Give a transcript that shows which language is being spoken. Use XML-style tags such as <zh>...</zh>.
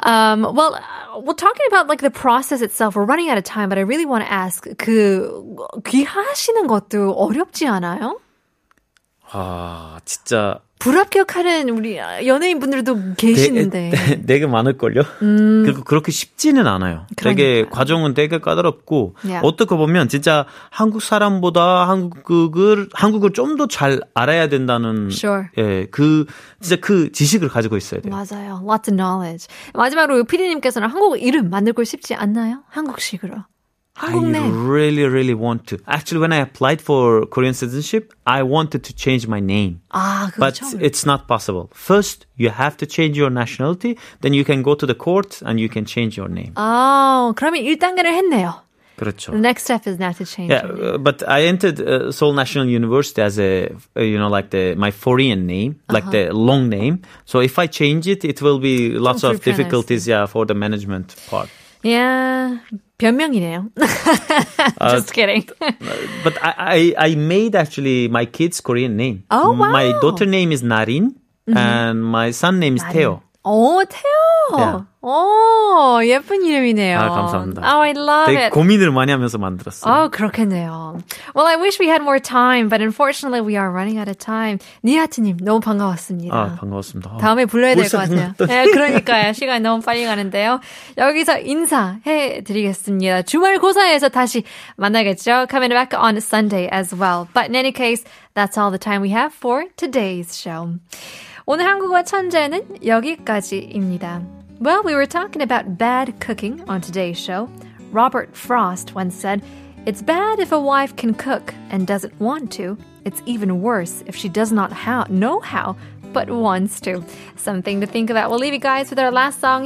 <en>Well, talking about like the process itself, we're running out of time, but I really want to ask,</en> <ko>그 귀하시는 것도 어렵지 않아요? 아, 진짜. 불합격하는 우리 연예인분들도 계시는데. 되게 많을걸요? 그리고 그렇게 쉽지는 않아요. 그러니까. 되게 과정은 되게 까다롭고, yeah. 어떻게 보면 진짜 한국 사람보다 한국을 좀 더 잘 알아야 된다는,</ko> <en>sure.</en> <ko>예, 그, 진짜 그 지식을 가지고 있어야 돼요. 맞아요.</ko> <en>Lots of knowledge.</en> <ko>마지막으로 피디님께서는 한국 이름 만들고 싶지 않나요? 한국식으로. 한국내.</ko> <en>I really, really want to. Actually, when I applied for Korean citizenship, I wanted to change my name.</en> <ko>아, 그렇죠.</ko> <en>But it's not possible. First, you have to change your nationality. Then you can go to the court and you can change your name.</en> <ko>아, 그러면 1단계를 했네요. 그렇죠.</ko> <en>The next step is now to change. Yeah, but I entered Seoul National University as a, you know, like the, my foreign name, like uh-huh. the long name. So if I change it, it will be lots of difficulties, yeah, for the management part. Yeah,</en> <ko>변명이네요.</ko> <en>Just kidding. But I made actually my kid's Korean name. Oh, wow. My daughter's name is Narin, mm-hmm. and my son's name is Teo. Oh, Teo. Yeah.</en> <ko>Oh, 예쁜 이름이네요. 아, 감사합니다.</ko> <en>Oh, I love</en> <ko>되게 되게 고민을 많이 하면서 만들었어요.</ko> <en>Oh,</en> <ko>그렇겠네요.</ko> <en>Well, I wish we had more time, but unfortunately, we are running out of time.</en> <ko>니하트님, 너무 반가웠습니다. 아, 반가웠습니다. 다음에 불러야 될 것 같아요. 네, 그러니까요. 시간이 너무 빨리 가는데요. 여기서 인사해드리겠습니다. 주말 고사에서 다시 만나겠죠?</ko> <en>Coming back on Sunday as well. But in any case, that's all the time we have for today's show.</en> <ko>오늘 한국어 천재는 여기까지입니다.</ko> <en>Well, we were talking about bad cooking on today's show. Robert Frost once said, "It's bad if a wife can cook and doesn't want to. It's even worse if she does not know how, but wants to." Something to think about. We'll leave you guys with our last song.</en>